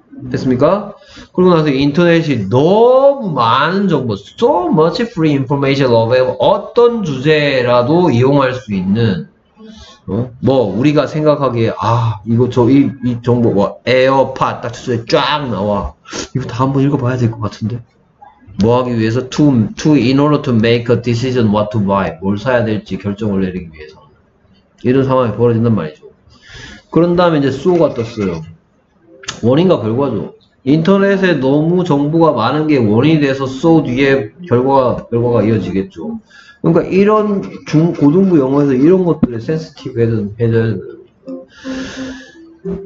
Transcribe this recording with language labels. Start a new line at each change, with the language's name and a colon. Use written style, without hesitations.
Korean: 됐습니까? 그리고 나서 인터넷이 너무 많은 정보,
English: so much free information available.
Korean: 어떤 주제라도 이용할 수 있는, 뭐, 우리가 생각하기에, 아, 이거 저, 이 정보, 뭐, 에어팟 딱 주제 쫙 나와. 이거 다 한번 읽어봐야 될 것 같은데. 뭐 하기 위해서?
English: In order to make a decision what to buy.
Korean: 뭘 사야 될지 결정을 내리기 위해서. 이런 상황이 벌어진단 말이죠. 그런 다음에 이제 수호가 떴어요. 원인과 결과죠. 인터넷에 너무 정보가 많은 게 원인이 돼서 so 뒤에 결과가 이어지겠죠. 그러니까 이런 고등부 영어에서 이런 것들을 sensitive해줘야 되는 거예요.